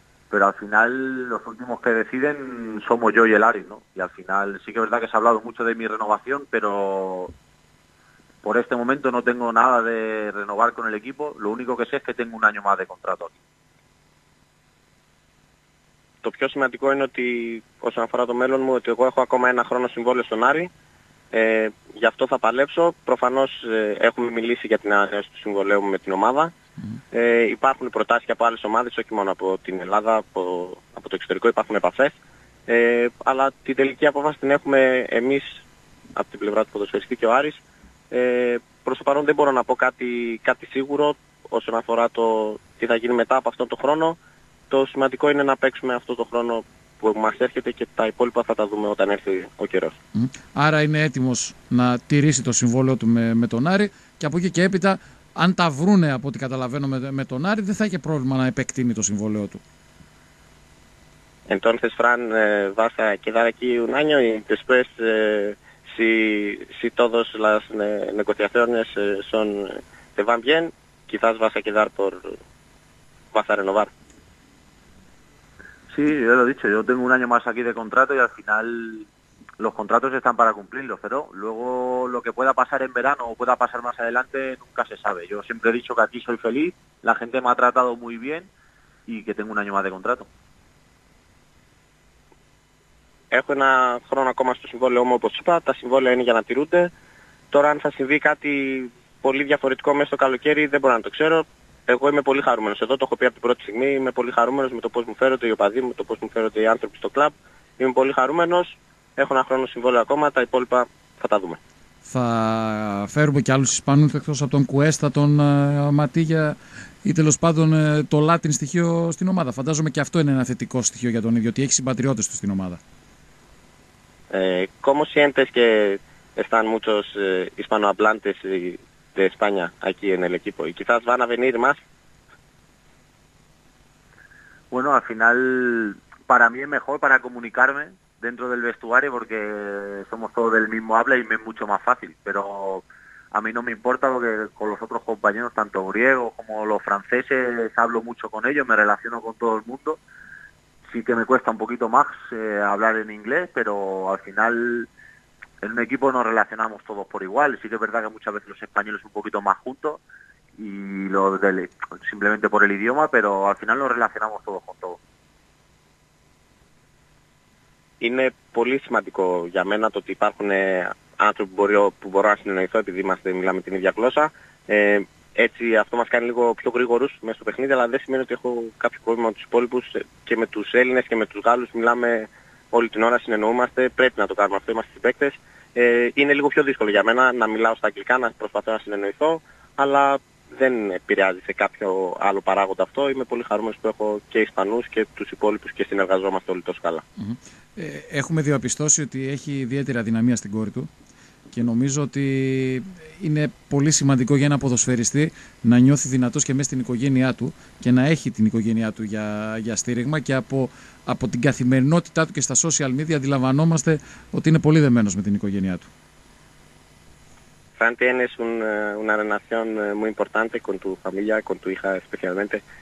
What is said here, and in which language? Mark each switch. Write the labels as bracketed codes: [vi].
[es] Pero al final los últimos que deciden somos yo y el Ari, ¿no? Y al final sí que es verdad que se ha hablado mucho de mi renovación, pero por este momento no tengo nada de renovar con el equipo. Lo único que sé es que tengo un año más de contrato aquí. Lo más importante es que, [el] όσον αφορά το μέλλον μου, ότι εγώ έχω ακόμα ένα χρόνο συμβόλαιο στον Άρη. Γι' αυτό θα παλέψω. Προφανώς έχουμε μιλήσει για την ανανέωση του συμβολαίου μου με την ομάδα. Υπάρχουν προτάσεις και από άλλες ομάδες, όχι μόνο από την Ελλάδα, από το εξωτερικό υπάρχουν επαφές. Αλλά την τελική απόφαση την έχουμε εμείς από την πλευρά του ποδοσφαιριστή και ο Άρης. Προς το παρόν δεν μπορώ να πω κάτι σίγουρο όσον αφορά το τι θα γίνει μετά από αυτόν τον χρόνο. Το σημαντικό είναι να παίξουμε αυτόν τον χρόνο που μας έρχεται και τα υπόλοιπα θα τα δούμε όταν έρθει ο καιρός. Άρα είναι έτοιμος να τηρήσει το συμβόλαιο του με τον Άρη και από εκεί και έπειτα, αν τα βρούνε από ό,τι καταλαβαίνω με τον Άρη, δεν θα είχε πρόβλημα να επεκτείνει το συμβόλαιό του. [es] Entonces, Fran, vas a quedar aquí un año y después, si todas las negociaciones son, te van bien, quizás vas a quedar por, vas a renovar. Sí, yo lo he dicho, yo tengo un año más aquí de contrato y al final los contratos están para cumplirlos, pero luego lo que pueda pasar en verano o pueda pasar más adelante nunca se sabe. Yo siempre he dicho que aquí soy feliz, la gente me ha tratado muy bien y que tengo un año más de contrato. [el] Έχω ένα χρόνο ακόμα στο συμβόλαιό μου, όπως είπα, τα συμβόλαια είναι για να τηρούνται. Τώρα αν θα συμβεί κάτι πολύ διαφορετικό μέσα στο καλοκαίρι δεν μπορώ να το ξέρω. Εγώ είμαι πολύ χαρούμενος εδώ, το έχω πει από την πρώτη στιγμή. Είμαι πολύ χαρούμενος με το πώς μου φέρονται οι οπαδοί μου, με το πώς μου φέρονται οι άνθρωποι στο κλαμπ. Είμαι πολύ χαρούμενος. Έχω ένα χρόνο συμβόλαιο ακόμα, τα υπόλοιπα θα τα δούμε. Θα φέρουμε και άλλους Ισπανούς εκτός από τον Κουέστα, τον Ματίγια ή τέλος πάντων το Λάτιν στοιχείο στην ομάδα. Φαντάζομαι και αυτό είναι ένα θετικό στοιχείο για τον ίδιο, ότι έχει συμπατριώτες του στην ομάδα. [es] Como sientes que están muchos hispanohablantes de España aquí en el equipo y quizás van a venir más. Bueno, al final para mí es mejor para comunicarme dentro del vestuario porque somos todos del mismo habla y me es mucho más fácil, pero a mí no me importa porque con los otros compañeros, tanto griegos como los franceses, hablo mucho con ellos, me relaciono con todo el mundo. Sí que me cuesta un poquito más hablar en inglés, pero al final en un equipo nos relacionamos todos por igual. Sí que es verdad que muchas veces los españoles un poquito más juntos y lo del simplemente por el idioma, pero al final nos relacionamos todos con todos. [el] Είναι πολύ σημαντικό για μένα το ότι υπάρχουν άνθρωποι που μπορώ να συνεννοηθώ επειδή μιλάμε την ίδια γλώσσα. Έτσι αυτό μας κάνει λίγο πιο γρήγορους μέσα στο παιχνίδι, αλλά δεν σημαίνει ότι έχω κάποιο πρόβλημα με τους υπόλοιπους και με τους Έλληνες και με τους Γάλλους. Μιλάμε όλη την ώρα, συνεννοούμαστε, πρέπει να το κάνουμε αυτό, είμαστε συμπαίκτες. Είναι λίγο πιο δύσκολο για μένα να μιλάω στα αγγλικά, να προσπαθώ να συνεννοηθώ, αλλά δεν επηρεάζει σε κάποιο άλλο παράγοντα αυτό. Είμαι πολύ χαρούμενος που έχω και Ισπανούς και τους υπόλοιπους και συνεργαζόμαστε όλοι τόσο καλά. Έχουμε διαπιστώσει ότι έχει ιδιαίτερη αδυναμία στην κόρη του. και νομίζω ότι είναι πολύ σημαντικό για ένα ποδοσφαιριστή να νιώθει δυνατός και μέσα στην οικογένειά του και να έχει την οικογένειά του για στήριγμα και από την καθημερινότητά του και στα social media αντιλαμβανόμαστε ότι είναι πολύ δεμένος με την οικογένειά του. [es] Franti, tienes una relación muy importante con tu familia, con tu hija especialmente.